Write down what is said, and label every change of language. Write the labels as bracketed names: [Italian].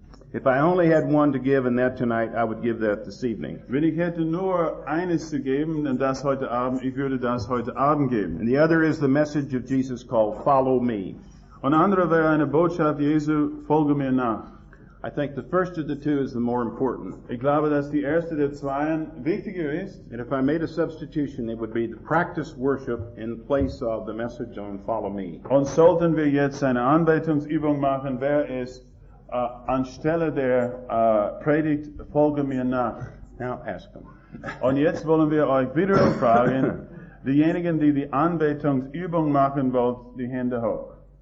[English] If I only had one to give in that tonight, I would give that this evening. [German] Wenn ich hätte nur eines zu geben, dann das heute Abend, ich würde das heute Abend geben. [English] And the other is the message of Jesus called, follow me. [German] Und andere wäre eine Botschaft Jesu, folge mir nach. [English] I think the first of the two is the more important. [German] Ich glaube, dass die erste der zweien wichtiger ist. [English] And if I made a substitution, it would be the practice worship in place of the message on follow me. [German] Und sollten wir jetzt eine Anbetungsübung machen, wäre es anstelle der Predigt folge mir nach. [English] Now ask them. [German] Und jetzt wollen wir euch wieder fragen, diejenigen, die die Anbetungsübung machen wollt, die Hände hoch.